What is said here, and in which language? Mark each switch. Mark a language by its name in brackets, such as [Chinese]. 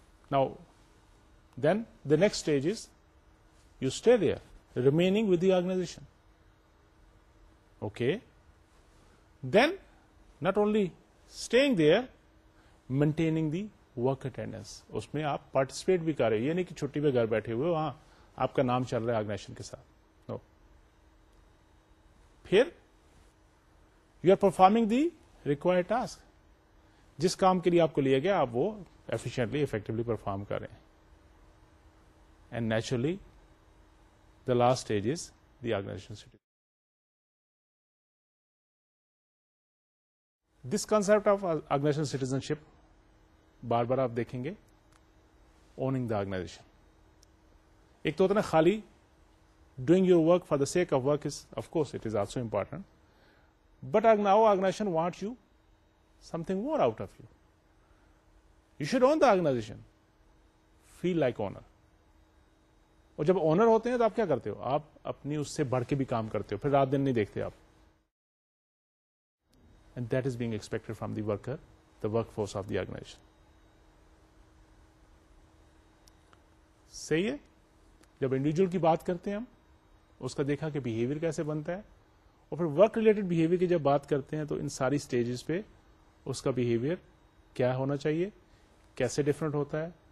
[English] Now then the next stage is you stay there remaining with the organization. Okay, then not only staying there, maintaining the work attendance, [Urdu] اس میں آپ participate بھی کر رہے ہیں. یہ نہیں کہ چھٹی پہ گھر بیٹھے ہوئے وہاں آپ کا نام چل رہا ہے آرگنائزیشن کے ساتھ. نو, پھر [English] you are performing the required task, [Urdu] جس کام کے لیے آپ کو لیا گیا آپ وہ ایفیشنٹلی افیکٹولی پرفارم کر رہے ہیں. [English] And naturally the last stage is the organization certificate. This concept of organization citizenship [Urdu] بار بار آپ دیکھیں گے, [English] Owning the organization. [Urdu] ایک تو ہوتا ہے خالی [English] Doing your work for the sake of work, is of course it is also important, but now organization want you something more out of you. You should own the organization. Feel like owner. [Urdu] اور جب owner ہوتے ہیں تو آپ کیا کرتے ہو؟ آپ اپنی اس سے بڑھ کے بھی کام کرتے ہو, پھر رات دن نہیں دیکھتے آپ. [English] And that is being expected from the worker, the workforce of the organization. [Urdu] صحیح ہے, جب individual کی بات کرتے ہیں ہم, اس کا دیکھا کہ behavior کیسے بنتا ہے, اور پھر work related behavior کی جب بات کرتے ہیں تو ان ساری stages پہ اس کا بیہیویئر کیا ہونا چاہیے, کیسے ڈفرنٹ ہوتا ہے.